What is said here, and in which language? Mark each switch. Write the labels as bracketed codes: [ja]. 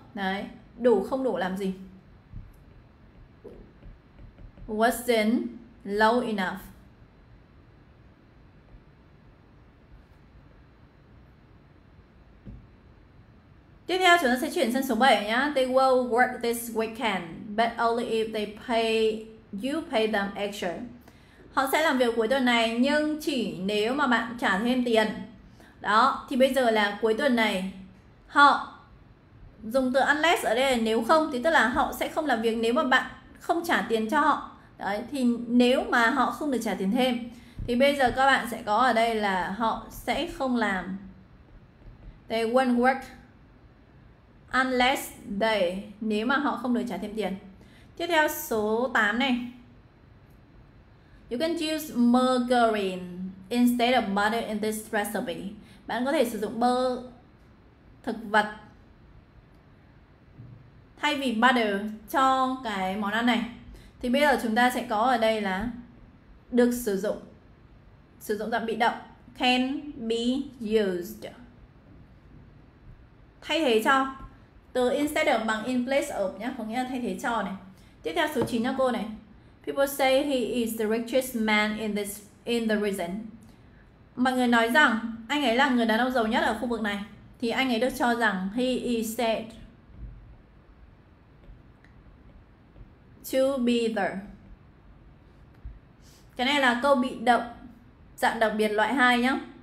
[vi] Đấy, đủ không đủ làm gì? [en] Wasn't low enough. [vi] Tiếp theo chúng ta sẽ chuyển sang số 7 nhá. [en] They will work this weekend, but only if they pay you pay them extra. [vi] Họ sẽ làm việc cuối tuần này nhưng chỉ nếu mà bạn trả thêm tiền. Đó, thì bây giờ là cuối tuần này họ dùng từ unless ở đây là nếu không, thì tức là họ sẽ không làm việc nếu mà bạn không trả tiền cho họ. Đấy, thì nếu mà họ không được trả tiền thêm thì bây giờ các bạn sẽ có ở đây là họ sẽ không làm. [en] They won't work unless they, [vi] nếu mà họ không được trả thêm tiền. Tiếp theo số 8 này. [en] You can choose margarine instead of butter in this recipe. [vi] Bạn có thể sử dụng bơ thực vật thay vì butter cho cái món ăn này. Thì bây giờ chúng ta sẽ có ở đây là được sử dụng. Sử dụng tạm bị động, [en] can be used. [vi] Thay thế cho. Từ instead of bằng in place of nhé, có nghĩa là thay thế cho này. Tiếp theo số 9 cho cô này. [en] People say he is the richest man in the region. [vi] Mọi người nói rằng anh ấy là người đàn ông giàu nhất ở khu vực này. Thì anh ấy được cho rằng [en] he is said to be the. [vi] Cái này là câu bị động dạng đặc biệt loại 2 nhá.